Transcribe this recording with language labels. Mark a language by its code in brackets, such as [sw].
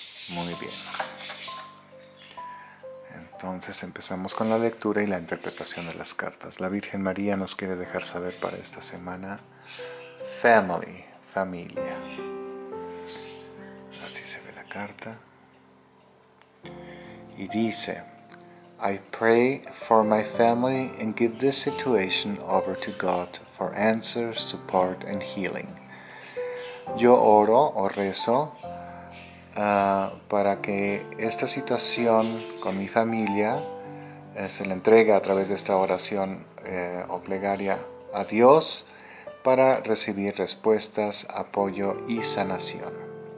[es] Muy bien. Entonces empezamos con la lectura y la interpretación de las cartas. La Virgen María nos quiere dejar saber para esta semana: family, familia. Así se ve la carta. Y dice: [en] I pray for my family and give this situation over to God for answer, support and healing. [es] Yo oro o rezo para que esta situación con mi familia se le entregue a través de esta oración o plegaria a Dios para recibir respuestas, apoyo y sanación.